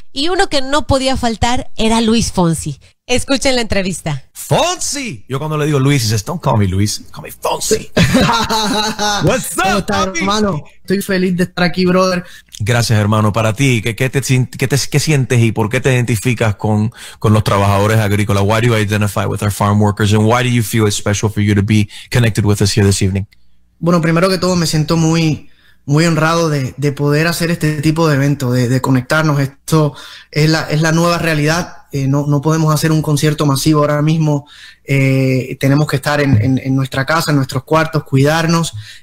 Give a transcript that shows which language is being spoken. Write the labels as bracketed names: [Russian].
[Spanish] Y uno que no podía faltar era Luis Fonsi. Escuchen la entrevista. ¡Fonsi! Yo cuando le digo Luis, dices, [English] don't call me Luis, call me Fonsi. What's up, [Spanish] ¿cómo estás, hermano? Estoy feliz de estar aquí, brother. Gracias, hermano. Para ti, ¿qué sientes y por qué te identificas con los trabajadores agrícolas? [English] Why do you identify with our farm workers and why do you feel it's special for you to be connected with us here this evening? [Spanish] Bueno, primero que todo, me siento muy, muy honrado de poder hacer este tipo de evento, de conectarnos. Esto es la nueva realidad. No podemos hacer un concierto masivo ahora mismo. Tenemos que estar en nuestra casa, en nuestros cuartos, cuidarnos.